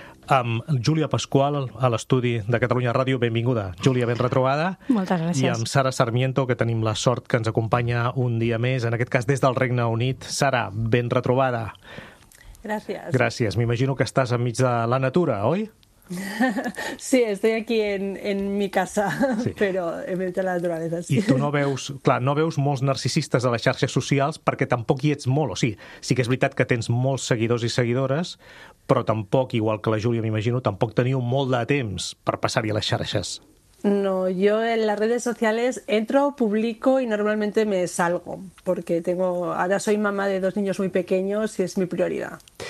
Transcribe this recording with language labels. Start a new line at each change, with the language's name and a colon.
Catalan: Amb Júlia Pascual a l'estudi de Catalunya Ràdio. Benvinguda, Júlia, ben retrobada. Moltes gràcies. I amb Sara Sarmiento, que tenim la sort que ens acompanya un dia més, en aquest cas des del Regne Unit. Sara, ben retrobada. Gràcies. Gràcies. M'imagino que estàs enmig de la natura, oi?
Spanish: Sí, estoy aquí en mi casa, sí. Pero en medio de la naturaleza. Sí.
Catalan: I tu no veus, clar, no veus molts narcisistes a les xarxes socials perquè tampoc hi ets molt. O sigui, sí que és veritat que tens molts seguidors i seguidores, però tampoc, igual que la Júlia m'imagino, tampoc teniu molt de temps per passar-hi a les xarxes.
Spanish: No, yo en las redes sociales entro, publico y normalmente me salgo, porque tengo, ahora soy mamá de dos niños muy pequeños y es mi prioridad.